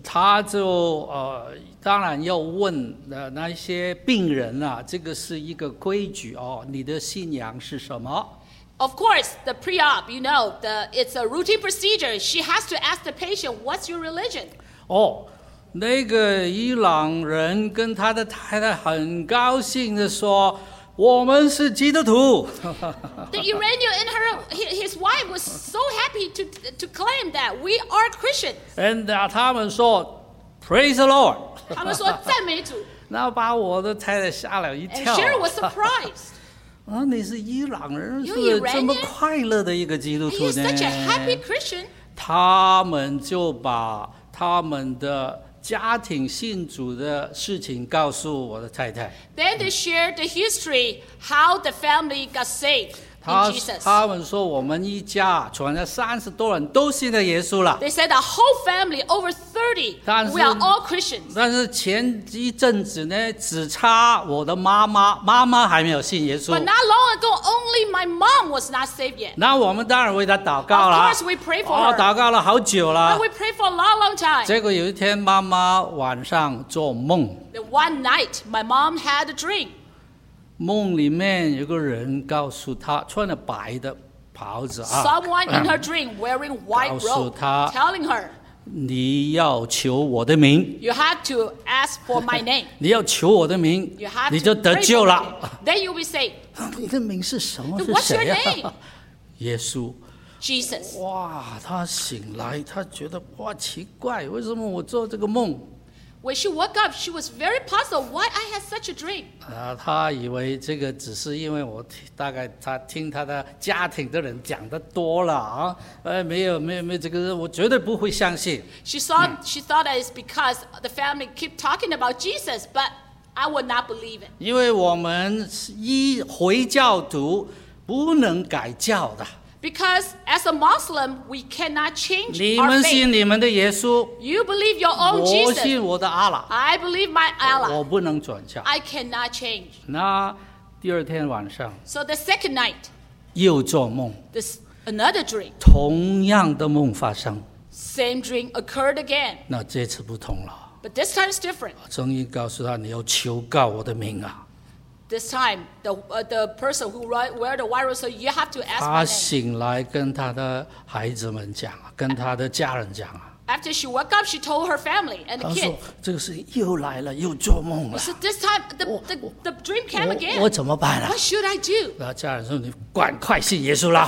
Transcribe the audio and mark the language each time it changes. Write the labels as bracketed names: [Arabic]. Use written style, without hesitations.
[Chinese] 她就当然要问那些病人啊，这个是一个规矩哦，你的信仰是什么？ [English] Of course, the pre-op, you know, it's a routine procedure. She has to ask the patient, what's your religion? [Chinese] 那个伊朗人跟他的太太很高兴地说，我们是基督徒。 [English] The Iranian and his wife was so happy to claim that we are Christians. And [Chinese] 他们说 [English] ,Praise the Lord. [Chinese] 他们说赞美主。那把我的太太吓了一跳。 [English] And Sharon was surprised. [Chinese] 啊，你是伊朗人，是这么快乐的一个基督徒呢。 [English] He's such a happy Christian. [Chinese] 他们就把他们的家庭信主的事情告诉我的太太。 [English] Then they shared the history how the family got saved in Jesus. [Chinese] 他们说我们一家传了三十多人都信了耶稣了。 [English] They said the whole family over 30, we are all Christians. [Chinese] 但是前一阵子呢，只差我的妈妈还没有信耶稣。 [English] But not long ago, only my mom was not saved yet. [Chinese] 那我们当然为她祷告了。 [English] Of course, we pray for her. [Chinese] 祷告了好久了。 [English] But we pray for a long, long time. [Chinese] 结果有一天妈妈晚上做梦。 [English] Then one night, my mom had a dream. [Chinese] 梦里面有个人告诉她，穿了白的袍子啊。 [English] Someone in her dream wearing white robe, telling her, [Chinese] 你要求我的名。 [English] You have to ask for my name. [Chinese] 你要求我的名， [English] you have [Chinese] 你就得救了。 [English] Then you will say, [Chinese] 你的名是什么？是谁啊？耶稣。 [English] Jesus. [Chinese] 哇，他醒来，他觉得哇奇怪，为什么我做这个梦？ [English] When she woke up, she was very puzzled why I had such a dream. [Chinese] 她以为这个只是因为我大概她听她的家庭的人讲得多了啊，没有这个我绝对不会相信。 [English] She thought that it's because the family keep talking about Jesus, but I would not believe it. [Chinese] 因为我们一回教徒不能改教的。 [English] Because as a Muslim, we cannot change our faith. [Chinese] 你们信你们的耶稣。 [English] You believe your own Jesus. [Chinese] 我信我的阿拉。 [English] I believe my Allah. [Chinese] 我不能转教。 [English] I cannot change. [Chinese] 那第二天晚上。 [English] So the second night. [Chinese] 又做梦。 [English] This another dream. [Chinese] 同样的梦发生。 [English] Same dream occurred again. [Chinese] 那这次不同了。 [English] But this time is different. [Chinese] 终于告诉他，你要求告我的名啊。 [English] This time, the person who wear the white robe said, "You have to ask my name." [Chinese] 她醒来跟她的孩子们讲，跟她的家人讲。 [English] After she woke up, she told her family and the kids. [Chinese] 她说：“这个事情又来了，又做梦了。” [English] So this time, the dream came again. [Chinese] 我怎么办了？ [English] What should I do? [Chinese] 那家人说：“你赶快信耶稣了。”